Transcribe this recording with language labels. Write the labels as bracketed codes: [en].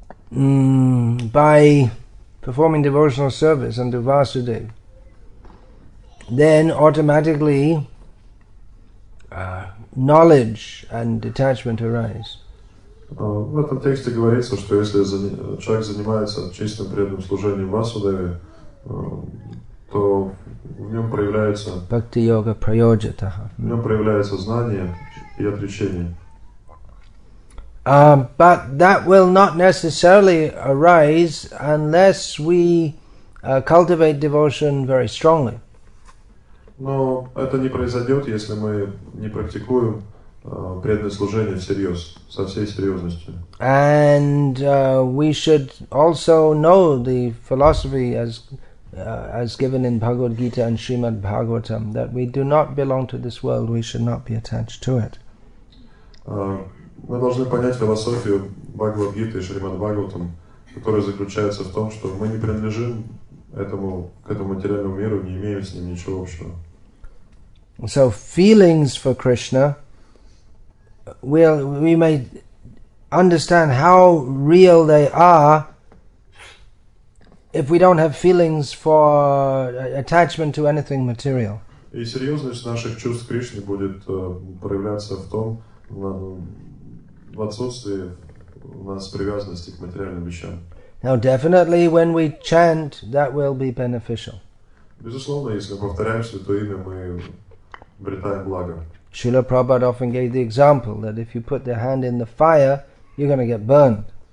[en] By performing devotional service under Vasudeva, then automatically knowledge and detachment arise. [ru] В этом тексте говорится, что если человек занимается чистым преданным служением Васудеве, то в нем проявляется [sa] бхакти-йога прайоджитаха. [ru] В нем проявляется знание и отречение. [en] But that will not necessarily arise unless we cultivate devotion very strongly. [ru] Но это не произойдет, если мы не практикуем преданное служение всерьез, со всей серьезностью. [en] And we should also know the philosophy as given in Bhagavad Gita and Srimad Bhagavatam, that we do not belong to this world, we should not be attached to it. [ru] Мы должны понять философию Бхагавад Гиты и Шримад Бхагаватам, которая заключается в том, что мы не принадлежим к этому материальному миру, не имеем с ним ничего общего. [en] So feelings for Krishna, we may understand how real they are if we don't have feelings for attachment to anything material. [ru] И серьезность наших чувств Кришны будет проявляться в том, в отсутствии у нас привязанности к материальным вещам. [en] Now definitely when we chant, that will be beneficial. [ru] Безусловно, если мы повторяем святое имя, мы обретаем благо. [en] Шрила Прабхупада often gave the example that if you put the hand in the fire, you're going to get burned.